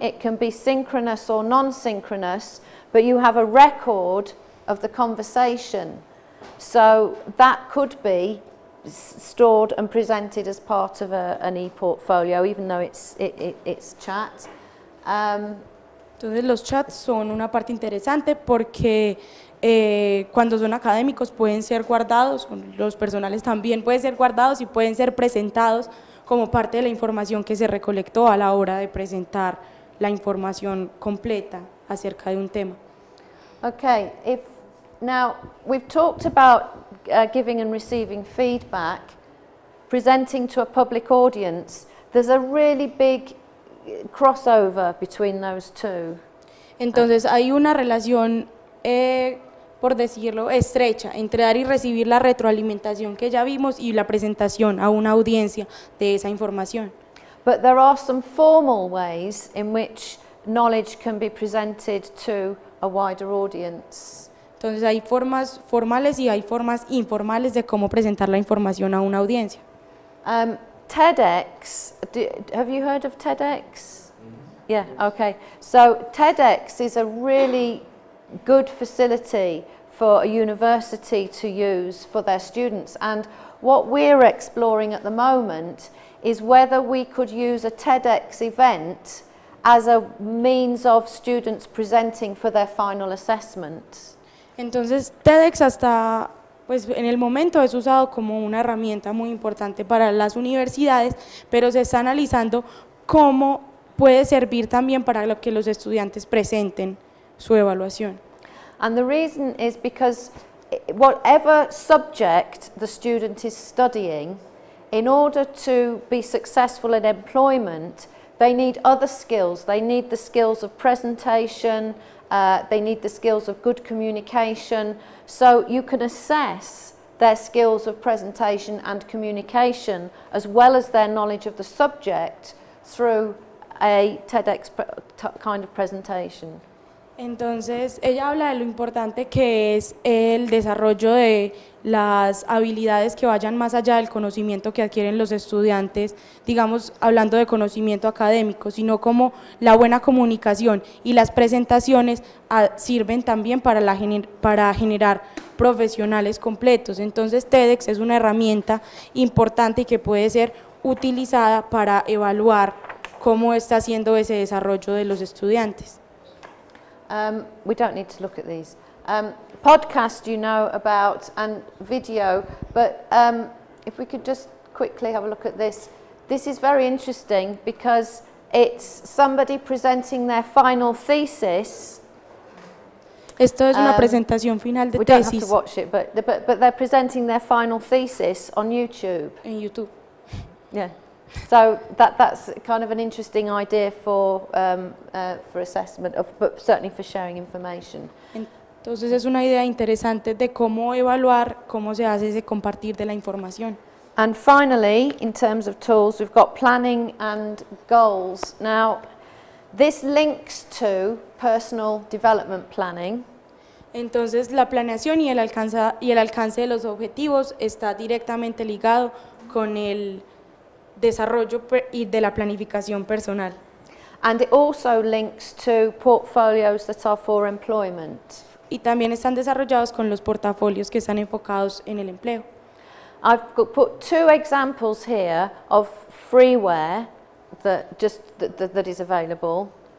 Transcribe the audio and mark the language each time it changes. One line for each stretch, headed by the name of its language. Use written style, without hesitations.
English: It can be synchronous or non-synchronous, but you have a record of the conversation. So that could be stored and presented as part of an e-portfolio, even though it's chat.
Spanish: Entonces los chats son una parte interesante porque cuando son académicos pueden ser guardados, los personales también pueden ser guardados y pueden ser presentados como parte de la información que se recolectó a la hora de presentar la información completa acerca de un tema.
English: Okay, now we've talked about giving and receiving feedback, presenting to a public audience. There's a really big crossover between those two.
Spanish: Entonces hay una relación por decirlo, estrecha, entre dar y recibir la retroalimentación que ya vimos y la presentación a una audiencia de esa información.
English: But there are some formal ways in which knowledge can be presented to a wider audience.
Spanish: Entonces hay formas formales y hay formas informales de cómo presentar la información a una audiencia.
English: TEDx, have you heard of TEDx? Yeah, okay. So TEDx is a really good facility for a university to use for their students. And what we're exploring at the moment is whether we could use a TEDx event as a means of students presenting for their final assessment.
Spanish: Entonces, TEDx hasta pues en el momento es usado como una herramienta muy importante para las universidades, pero se está analizando cómo puede servir también para lo que los estudiantes presenten su evaluación.
English: And the reason is because whatever subject the student is studying, in order to be successful in employment, they need other skills. They need the skills of presentation, they need the skills of good communication. So you can assess their skills of presentation and communication as well as their knowledge of the subject through a TEDx kind of presentation.
Spanish: Entonces, ella habla de lo importante que es el desarrollo de las habilidades que vayan más allá del conocimiento que adquieren los estudiantes, digamos, hablando de conocimiento académico, sino como la buena comunicación y las presentaciones sirven también para, para generar profesionales completos. Entonces, TEDx es una herramienta importante y que puede ser utilizada para evaluar cómo está haciendo ese desarrollo de los estudiantes.
English: We don't need to look at these. Podcast you know about and video, but if we could just quickly have a look at this. This is very interesting because it's somebody presenting their final thesis.
Spanish: Esto es una presentación final de
English: we
Spanish: tesis.
English: We don't have to watch it, but they're presenting their final thesis on YouTube. In YouTube. Yeah. So that's kind of an interesting idea for assessment, but certainly for sharing information.
Spanish: Entonces es una idea interesante de cómo evaluar cómo se hace ese compartir de la información.
English: And finally, in terms of tools, we've got planning and goals. Now, this links to personal development planning.
Spanish: Entonces, la planeación y el alcance de los objetivos está directamente ligado con el desarrollo y de la planificación personal.
English: And it also links to portfolios that are for employment.
Spanish: Y también están desarrollados con los portafolios que están enfocados en el empleo.
English: I've put two examples here of freeware that just that is available.